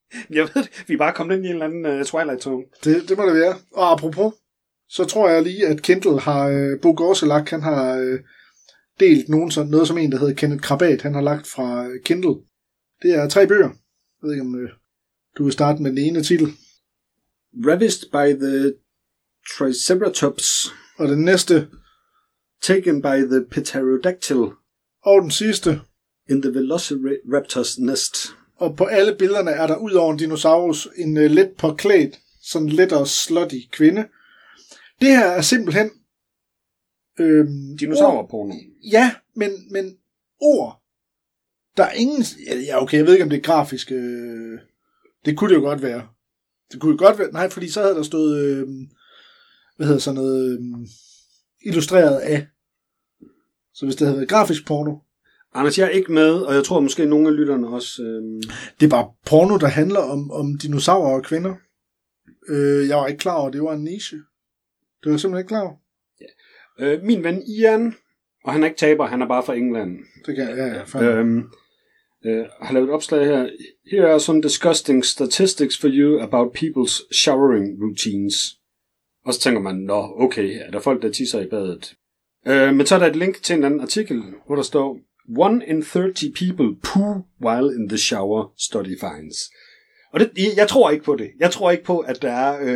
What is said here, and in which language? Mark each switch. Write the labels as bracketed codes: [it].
[da] Jeg ved det. Vi er bare kommet ind i en eller anden Twilight Zone. Det må det være. Og apropos, så tror jeg lige, at Kindle har... Bo Gorselak, han har delt nogen sådan noget, som en, der hedder Kenneth Krabat, han har lagt fra Kindle. Det er 3 bøger. Jeg ved ikke, om du vil starte med den ene titel. [en] Ravished by the Triceratops. [da] Og den næste. [en] Taken by the Pterodactyl. [da] Og den sidste. [en] In the Velociraptor's Nest. [da] Og på alle billederne er der ud over en dinosaurus en lidt påklædt, sådan lidt og slutty kvinde. Det her er simpelthen... Dinosaurer-porno. Ja, men ord. Der er ingen... Ja, okay, jeg ved ikke, om det er grafisk. Det kunne det jo godt være. Det kunne jo godt være. Nej, fordi så havde der stået... illustreret af. Så hvis det havde været grafisk porno. Anders, jeg er ikke med, og jeg tror måske nogle af lytterne også... Det er bare porno, der handler om dinosaurer og kvinder. Jeg var ikke klar over, det var en niche. Det var simpelthen ikke klar over. Ja. Min ven Ian... Og han er ikke taber, han er bare fra England. Det kan jeg, ja. Har lavet et opslag her. [en] Here are some disgusting statistics for you about people's showering routines. [da] Og så tænker man, nå, okay, er der folk, der tisser i badet? Men så er der et link til en anden artikel, hvor der står, [en] 1 in 30 people poo while in the shower, study finds. [da] Og det, jeg tror ikke på det. Jeg tror ikke på, at der er...